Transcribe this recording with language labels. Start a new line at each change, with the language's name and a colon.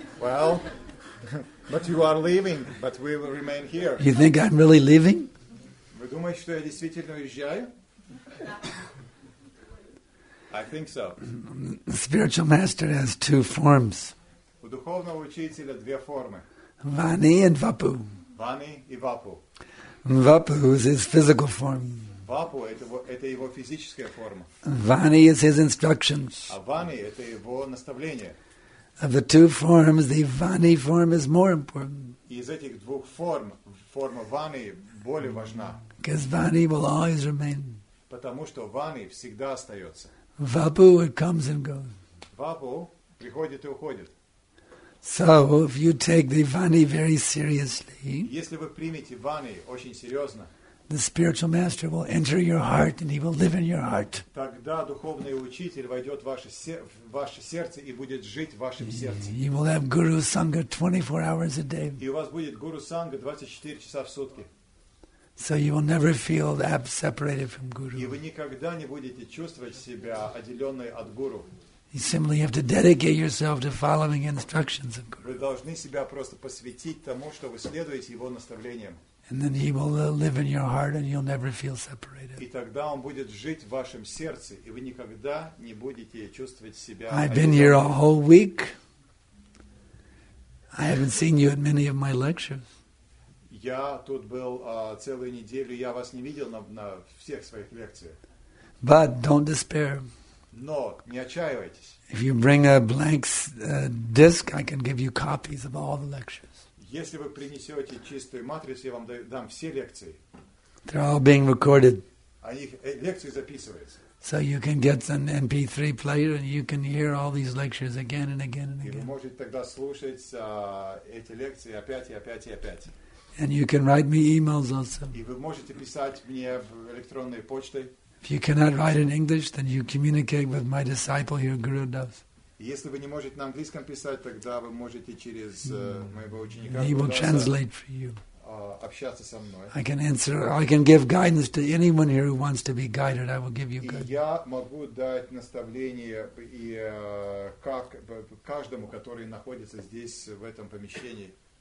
English: Well, but you are leaving, but we will remain here. You think I'm really leaving?
Russian: Вы думаете, что я действительно уезжаю?
English: I think so. The spiritual master has two forms.
Russian: У духовного учителя две формы.
English: Vani and Vapu.
Russian: Vani и Vapu.
English: Vapu is his physical form.
Russian: Vapu это его физическая форма.
English: Vani is his instructions.
Russian: А Vani это его наставление.
English: Of the two forms, the Vani form is more important.
Russian: Из этих двух форм форма Vani более важна.
English: Because Vani will always remain.
Russian: Потому что Vani всегда остается.
English: Vapu, it comes and goes.
Russian: Vapu приходит и уходит.
English: So, if you take the Vani very seriously,
Russian: если вы примете Vani очень серьезно,
English: the spiritual master will enter your heart and he will live in your heart.
Russian: Тогда духовный учитель войдет в ваше сердце и будет жить в вашем сердце.
English: You will have Guru Sangha 24 hours a day.
Russian: И у вас будет Guru Sangha 24 часа в сутки.
English: So you will never feel separated from Guru.
Russian: И вы никогда не будете чувствовать себя отделенной от Гуру.
English: You simply have to dedicate yourself to following instructions of Guru.
Russian: Вы должны себя просто посвятить тому, что вы следуете его наставлениям.
English: And then he will live in your heart, and you'll never feel separated.
Russian: И тогда он будет жить в вашем сердце, и вы никогда не будете чувствовать себя одиноким.
English: I've been here a whole week. I haven't seen you at many of my lectures.
Russian: Я тут был целую неделю, я вас не видел на всех своих лекциях.
English: But don't despair.
Russian: Но не отчаивайтесь.
English: If you bring a blank disc, I can give you copies of all the lectures.
Russian: Если вы принесете чистую матрицу, я вам дам все лекции.
English: They're all being recorded.
Russian: Они лекции записываются.
English: So you can get an MP3 player and you can hear all these lectures again and again and again.
Russian: И вы можете тогда слушать эти лекции опять и опять и опять.
English: And you can write me emails also.
Russian: И вы можете писать мне в электронной почте.
English: If you cannot write in English, then you communicate with my disciple here, Guru Das.
Russian: Если вы не можете на английском писать, тогда вы можете через моего ученика
English: he will translate for you.
Russian: Общаться со мной.
English: I can answer, I can give guidance to anyone here who wants to be guided. I will give you guidance.
Russian: Я могу дать наставление и как каждому, который находится здесь в этом помещении.